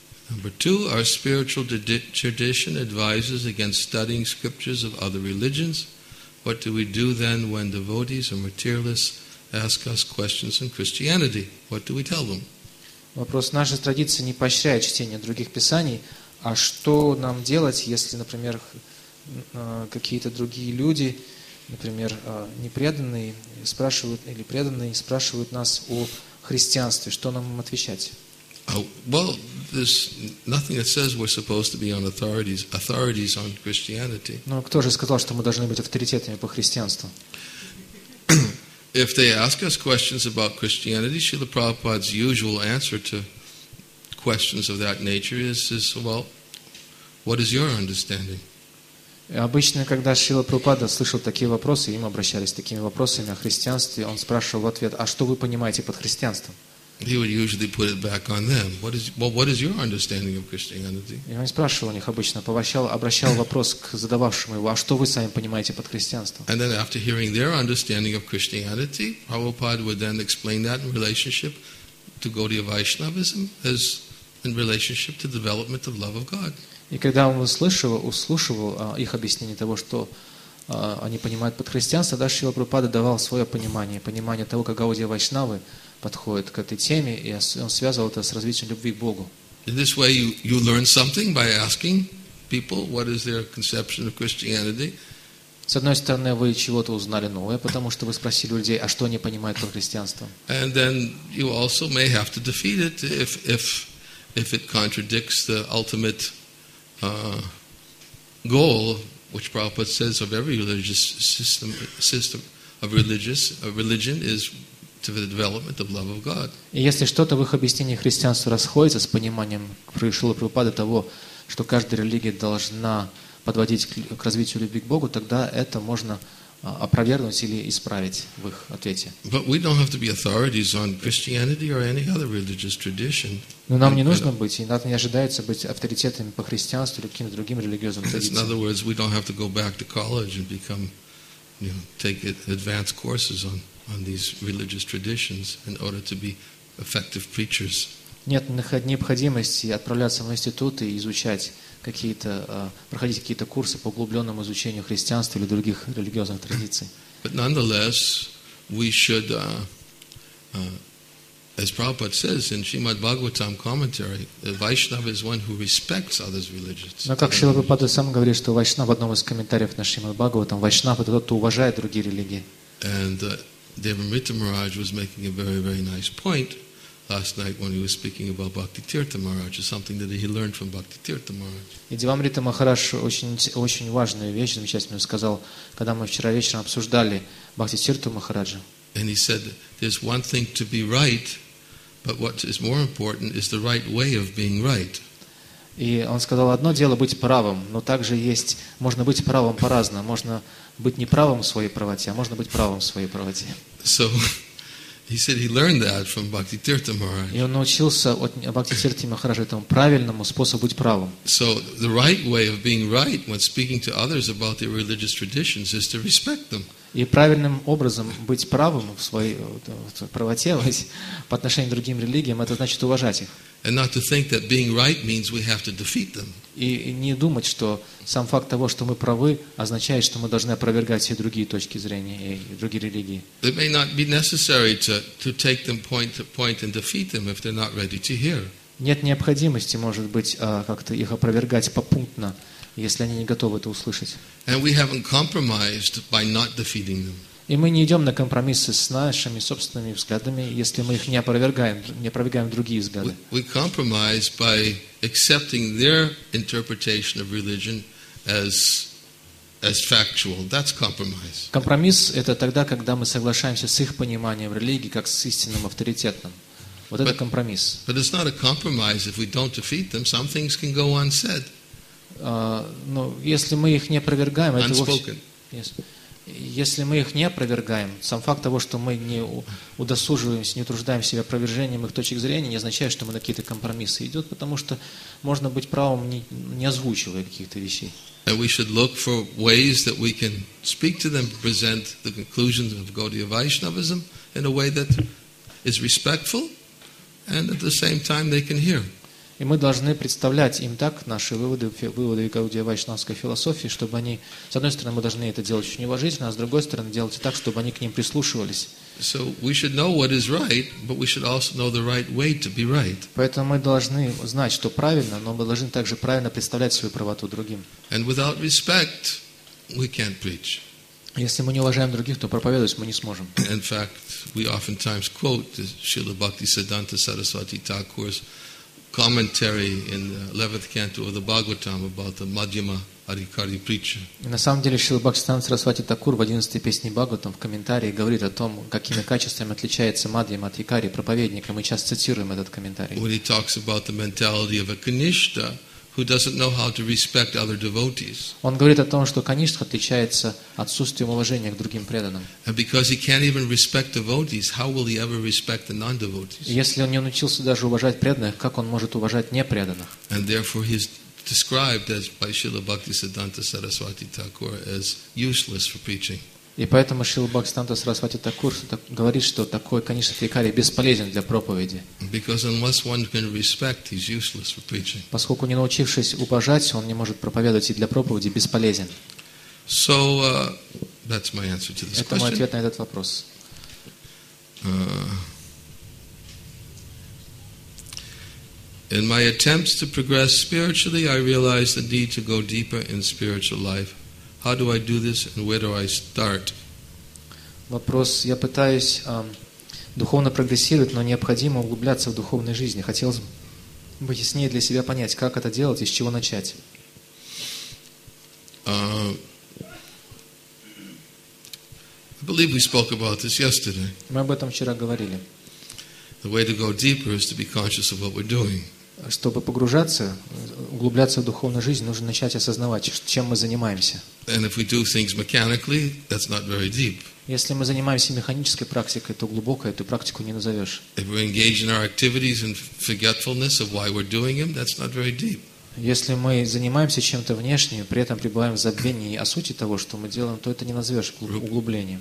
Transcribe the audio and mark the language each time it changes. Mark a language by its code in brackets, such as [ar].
[en] Number two, our spiritual tradition advises against studying scriptures of other religions. What do we do then when devotees or materialists ask us questions in Christianity. What do we tell them? [ru] Вопрос: наша традиция не поощряет чтение других писаний, а что нам делать, если, например, какие-то другие люди, например, непреданные, спрашивают или преданные спрашивают нас о христианстве, что нам им отвечать? [en] Well, there's nothing that says we're supposed to be on authorities on Christianity. [ru] Но кто же сказал, что мы должны быть авторитетами по христианству? [en] If they ask us questions about Christianity, Srila Prabhupada's usual answer to questions of that nature is well, what is your understanding? [ru] Обычно, когда Шрила Прабхупада слышал такие вопросы, им обращались с такими вопросами о христианстве, он спрашивал в ответ: «А что вы понимаете под христианством?» [en] He would usually put it back on them. What is your understanding of Christianity? [ru] И он спрашивал у них обычно, обращал вопрос к задававшему его: «А что вы сами понимаете под христианством?» [en] And then after hearing their understanding of Christianity, Prabhupada would then explain that in relationship to Gaudiya Vaishnavism as in relationship to development of love of God. [ru] И когда он услышивал их объяснение того, что они понимают под христианство, дальше Шрила Прабхупада давал свое понимание того, как Гаудия Вайшнавы подходят к этой теме, и он связывал это с развитием любви к Богу. [en] In this way you learn something by asking people what is their conception of Christianity. [ru] С одной стороны, вы чего-то узнали новое, потому что вы спросили людей, а что они понимают под христианством. [en] And then you also may have to defeat it if it contradicts the ultimate goal, which Prabhupada says of every religious system of religion is to the development of love of God. [ru] И если что-то в их объяснении христианства расходится с пониманием Шрилы Прабхупады того, что каждая религия должна подводить к развитию любви к Богу, тогда это можно опровергнуть или исправить в их ответе. [en] But we don't have to be authorities on Christianity or any other religious tradition. [ru] Но нам не нужно быть, и нам не ожидается быть авторитетами по христианству или каким-то другим религиозным традициям. [en] In other words, we don't have to go back to college and become, you know, take advanced courses on these religious traditions in order to be effective preachers. [ru] Нет необходимости отправляться в институт и изучать проходить какие-то курсы по углубленному изучению христианства или других религиозных традиций. [en] But nonetheless, we should, as Prabhupada says in Srimad Bhagavatam commentary, a Vaishnava is one who respects others' religions. [ru] Но как Шрила Прабхупада сам говорит, что Вайшнав в одном из комментариев на Шримад Бхагаватам, Вайшнав это тот, кто уважает другие религии. [en] And Devamrita Maharaj was making a very, very nice point last night when he was speaking about Bhakti Tirtha Maharaj, something that he learned from Bhakti Tirtha Maharaj. [ru] И Девамрита Махарадж очень важную вещь замечательную сказал, когда мы вчера вечером обсуждали Бхакти Тирту Махараджа. [en] And he said, there's one thing to be right, but what is more important is the right way of being right. [ru] И он сказал, одно дело быть правым, но также есть, можно быть правым по-разному. Можно быть не правым в своей правоте, а можно быть правым в своей правоте. [en] So, he said he learned that from Bhakti Tirtha Maharaj. [ru] И он научился от Бхакти Тирты Махараджа этому правильному способу быть правым. [en] So, the right way of being right when speaking to others about their religious traditions is to respect them. [ru] И правильным образом быть правым в своей правоте по отношению к другим религиям, это значит уважать их. [en] And not to think that being right means we have to defeat them. [ru] И не думать, что сам факт того, что мы правы, означает, что мы должны опровергать все другие точки зрения и другие религии. [en] It may not be necessary to take them point to point and defeat them if they're not ready to hear. [ru] Нет необходимости, может быть, как-то их опровергать попунктно, если они не готовы это услышать. [en] And we haven't compromised by not defeating them. [ru] И мы не идем на компромиссы с нашими собственными взглядами, если мы их не опровергаем, не опровергаем другие взгляды. [en] We compromise by accepting their interpretation of religion as factual. That's compromise. [ru] Компромисс — это тогда, когда мы соглашаемся с их пониманием религии как с истинным авторитетным. Вот это компромисс. [en] But it's not a compromise if we don't defeat them. Some things can go unsaid. [ru] Но если мы их не опровергаем, это [en] unspoken. [ru] Если мы их не опровергаем, сам факт того, что мы не удосуживаемся, не утруждаем себя опровержением их точек зрения, не означает, что мы на какие-то компромиссы идем, потому что можно быть правым, не озвучивая каких-то вещей. [en] And we should look for ways that we can speak to them, present the conclusions of Gaudiya Vaishnavism in a way that is respectful and at the same time they can hear. [ru] И мы должны представлять им так наши выводы Гаудия Вайшнавской философии, чтобы они, с одной стороны, мы должны это делать очень уважительно, а с другой стороны, делать так, чтобы они к ним прислушивались. [en] So we should know what is right, but we should also know the right way to be right. [ru] Поэтому мы должны знать, что правильно, но мы должны также правильно представлять свою правоту другим. [en] And without respect, we can't preach. [ru] Если мы не уважаем других, то проповедовать мы не сможем. [en] In fact, we oftentimes quote the Srila Bhaktisiddhanta Saraswati Thakur's commentary in the 11th canto of the Bhagavatam about the Madhyama Adhikari preacher. [ru] На самом деле, Шрила Бхактисиддханта Сарасвати Такур в 11-й песне Бхагаватам в комментарии говорит о том, какими качествами отличается Мадхьяма Адхикари, проповедник, и мы часто цитируем этот комментарий. [en] When he talks about the mentality of a Kanishtha who doesn't know how to respect other devotees. [ru] Он говорит о том, что Канишха отличается отсутствием уважения к другим преданным. [en] And because he can't even respect devotees, how will he ever respect the non-devotees? [ru] Если он не научился даже уважать преданных, как он может уважать непреданных? [en] And therefore he's described as by Srila Bhaktisiddhanta Saraswati Thakur as useless for preaching. [ru] И поэтому Шрила Бхактисиддханта Сарасвати Такур говорит, что такой Канишха Адхикари бесполезен для проповеди. [en] Because unless one can respect, he's useless for preaching. [ru] Поскольку не научившись уважать, он не может проповедовать и для проповеди бесполезен. [en] So that's my answer to this question. [ru] Это мой ответ на этот вопрос. [en] In my attempts to progress spiritually, I realized the need to go deeper in spiritual life. How do I do this and where do I start? [ru] Вопрос. Я пытаюсь духовно прогрессировать, но необходимо углубляться в духовной жизни. Хотелось бы яснее для себя понять, как это делать и с чего начать. [en] I believe we spoke about this yesterday. [ru] Мы об этом вчера говорили. [en] The way to go deeper is to be conscious of what we're doing. [ru] Чтобы погружаться, углубляться в духовную жизнь, нужно начать осознавать, чем мы занимаемся. [en] And if we do things mechanically, that's not very deep. [ru] Если мы занимаемся механической практикой, то глубокой эту практику не назовешь. [en] If we engage in our activities in forgetfulness of why we're doing them, that's not very deep. [ru] Если мы занимаемся чем-то внешним, при этом пребываем в забвении о сути того, что мы делаем, то это не назовешь углублением.